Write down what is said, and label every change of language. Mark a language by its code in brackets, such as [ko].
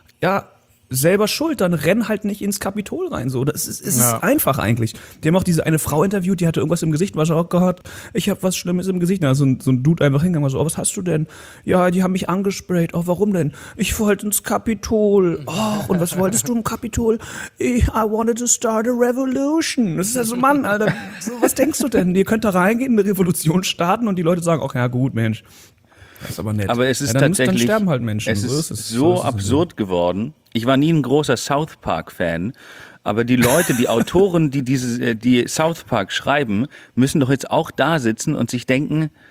[de] Ja, selber schuld, dann renn halt nicht ins Kapitol rein. So, das ist einfach eigentlich. Die haben auch diese eine Frau interviewt, die hatte irgendwas im Gesicht, war schon auch gehört, ich habe was Schlimmes im Gesicht. Da ist so ein Dude einfach hingegangen, war so, oh, was hast du denn? Ja, die haben mich angesprayt. Oh, warum denn? Ich wollte ins Kapitol. Oh, und was wolltest du im Kapitol? [en] I wanted to start a revolution. [de] Das ist ja so, Mann, Alter, so, was denkst du denn? Ihr könnt da reingehen, eine Revolution starten und die Leute sagen, ach ja, gut, Mensch. Das ist aber nett. Aber es ist ja, dann tatsächlich, dann sterben halt Menschen. Es ist so absurd geworden. Ich war nie ein großer South Park-Fan, aber die Leute, die Autoren, die South Park schreiben, müssen doch jetzt auch da sitzen und sich denken,